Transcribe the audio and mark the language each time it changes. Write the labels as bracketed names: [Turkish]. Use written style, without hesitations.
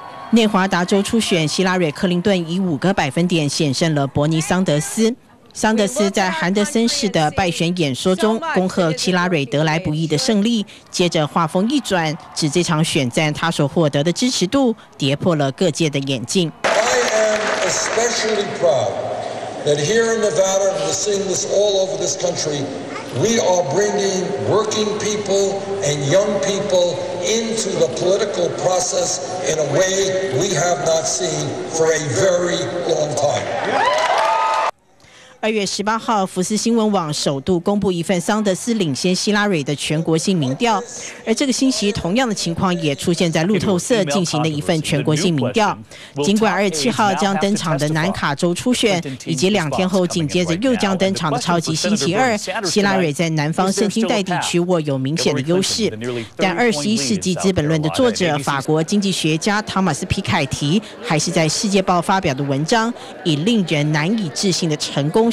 [Chinese] 内华达州初选，希拉蕊·克林顿以5%险胜了伯尼·桑德斯。桑德斯在韩德森市的败选演说中恭贺希拉蕊得来不易的胜利，接着话锋一转，指这场选战他所获得的支持度跌破了各界的眼镜。 [English] I am especially proud that here in Nevada, we're seeing this all over this country, we are bringing working people and young people into the political process in a way we have not seen for a very long time. [Chinese] 2月18号，福斯新闻网首度公布一份桑德斯领先希拉蕊的全国性民调，而这个星期同样的情况也出现在路透社进行的一份全国性民调。尽管27号将登场的南卡州初选，以及2天后紧接着又将登场的超级星期二，希拉蕊在南方圣经带地区握有明显的优势，但21世纪《资本论》的作者、法国经济学家汤马斯·皮凯提还是在《世界报》发表的文章，以令人难以置信的成功。